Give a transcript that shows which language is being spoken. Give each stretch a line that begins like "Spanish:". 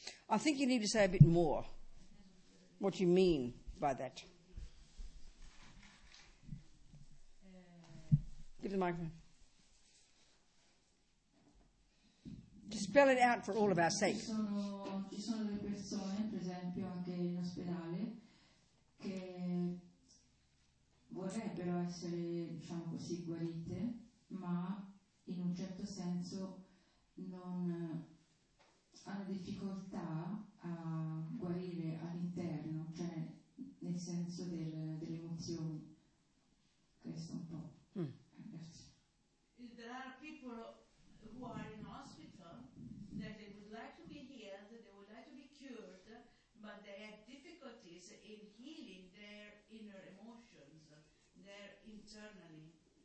English: I think you need to say a bit more what you mean by that. Give the microphone. Just spell it out for all of our sake.
Italian: Ci sono delle persone, per esempio anche in ospedale, che vorrebbero essere, diciamo così, guarite, ma in un certo senso non hanno difficoltà a guarire all'interno, cioè nel senso delle emozioni. Questo un po'.
English: There are people who are in hospital that they would like to be healed, they would like to be cured, but they have difficulties in healing their inner emotions, their internally.